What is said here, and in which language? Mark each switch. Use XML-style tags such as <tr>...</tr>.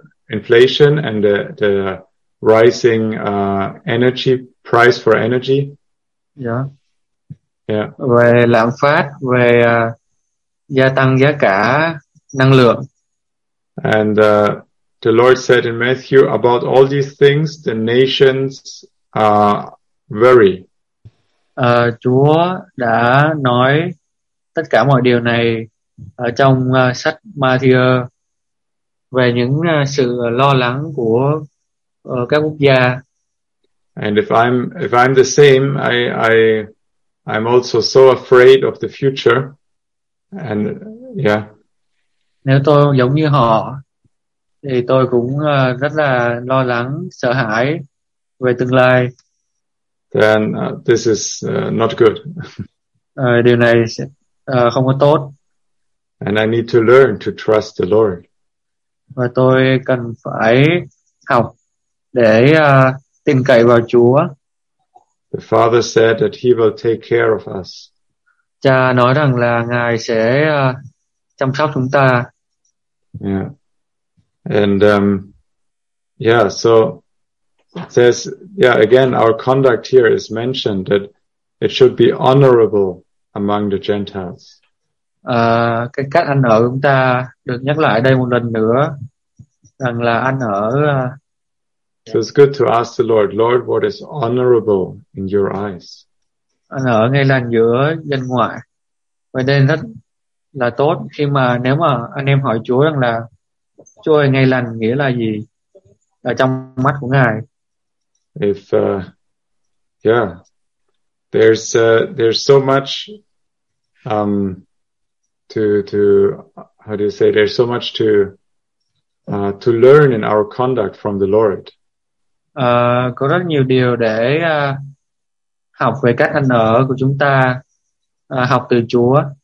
<en>inflation and the rising energy price for energy. Yeah. Yeah.</en> <vi>Về lạm phát, về gia tăng giá cả năng lượng.</vi> <en>And the Lord said in Matthew about all these things, the nations are worried.</en> <vi>Chúa đã nói tất cả mọi điều này ở trong sách Matthew về những sự lo lắng của các quốc gia.</vi> <en>And if I'm the same, I'm also so afraid of the future. And yeah.</en> <vi>Nếu tôi giống như họ thì tôi cũng rất là lo lắng, sợ hãi về tương lai.</vi> <en>Then this is not good.</en> <vi>Điều này sẽ không có tốt.</vi> <en>And I need to learn to trust the Lord.</en> <vi>Và tôi cần phải học để tin cậy vào Chúa.</vi> <en>The Father said that He will take care of us.</en> <vi>Cha nói rằng là Ngài sẽ chăm sóc chúng ta.</vi> <en>Yeah. And yeah, so it says, yeah, again, our conduct here is mentioned that it should be honorable among the Gentiles.</en> <vi>Cái cách ăn ở của chúng ta được nhắc lại đây một lần nữa rằng là ăn ở.</vi> <en>So it's good to ask the Lord, Lord, what is honorable in your eyes?</en> <vi>Ăn ở ngay làn giữa dân ngoại. Vậy nên rất là tốt khi mà nếu mà anh em hỏi Chúa rằng là Chúa ơi, ngay làn nghĩa là gì ở trong mắt của Ngài.</vi> <en>If yeah, there's so much to how do you say, there's so much to learn in our conduct from the Lord.</en> <vi>Có rất nhiều điều để học về cách ăn ở của chúng ta, học từ Chúa.</vi>